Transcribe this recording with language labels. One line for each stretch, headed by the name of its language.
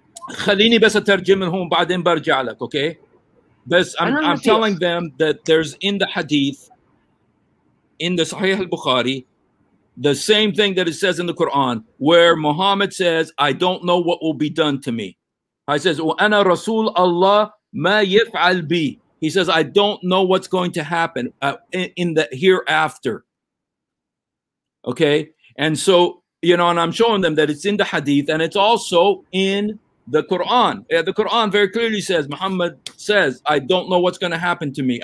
Arabic: خليني بس أترجم لهم بعدين برجع لك.
English: Okay, بس I'm telling them that there's in the Hadith, in the Sahih al-Bukhari, the same thing that it says in the Quran, where Muhammad says, I don't know what will be done to me. He says,
Arabic: وَأَنَا رَسُولَ اللَّهِ مَا يَفْعَلْ بِي.
English: He says, I don't know what's going to happen in the hereafter. Okay? And so, you know, and I'm showing them that it's in the Hadith, and it's also in the Quran. Yeah, the Quran very clearly says, Muhammad says, I don't know what's going to happen to me.